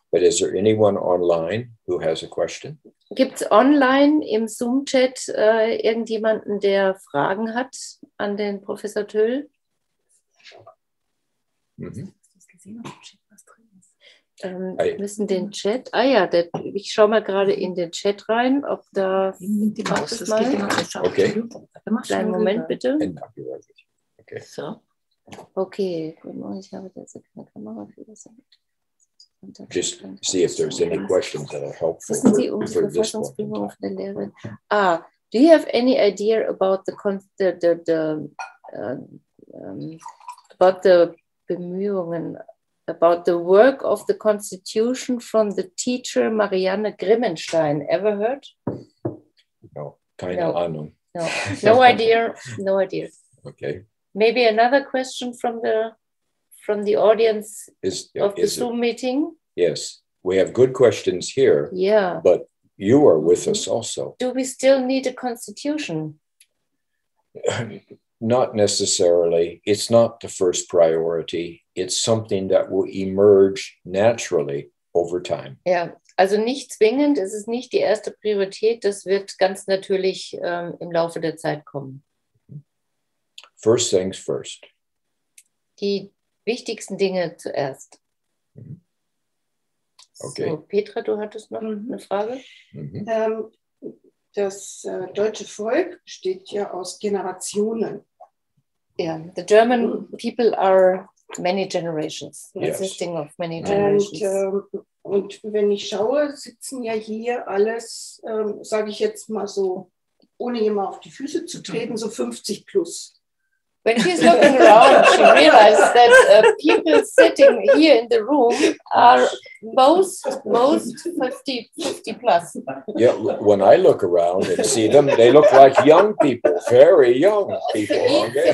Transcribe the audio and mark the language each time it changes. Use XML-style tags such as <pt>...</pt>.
<en>But is there anyone online who has a question?</en> <de>Gibt's online im Zoom-Chat irgendjemanden, der Fragen hat an den Professor Töll? Mhm. Wir müssen den Chat. Ah ja, ich schaue mal gerade in den Chat rein, ob da. Die macht es mal.</de> <en>Okay.</en> <de>Kleinen Moment bitte.</de> <en>Okay. So.</en> <de>Okay, guten Morgen, ich habe jetzt keine Kamera für das.</de> <en>Just see if there's any questions that are helpful.</en> <de>Wissen Sie um die Verfassungsprüfung auf der Lehre?</de> <en>Ah, do you have any idea about the Bemühungen, about the work of the Constitution from the teacher Marianne Grimmenstein? Ever heard?</en> <de>No, keine Ahnung.</de> <en>No idea. Okay. Maybe another question from the audience Zoom meeting. Yes, we have good questions here. Yeah. But you are with us also. Do we still need a constitution? Not necessarily. It's not the first priority. It's something that will emerge naturally over time.</en> <de>Ja, also nicht zwingend. Es ist nicht die erste Priorität. Das wird ganz natürlich im Laufe der Zeit kommen.</de> <en>First things first.</en> <de>Die wichtigsten Dinge zuerst.</de> <en>Okay. So,</en> <de>Petra, du hattest noch eine Frage? Das deutsche Volk besteht ja aus Generationen.</de> <en>Ja, yeah, the German people are many generations, consisting of many generations.</en> <de>Und wenn ich schaue, sitzen ja hier alles, sage ich jetzt mal so, ohne jemand auf die Füße zu treten, so 50 plus.</de> <en>When she's looking around, she realizes that people sitting here in the room are most 50 plus. Yeah, when I look around and see them, they look like young people, very young people. Okay.</en>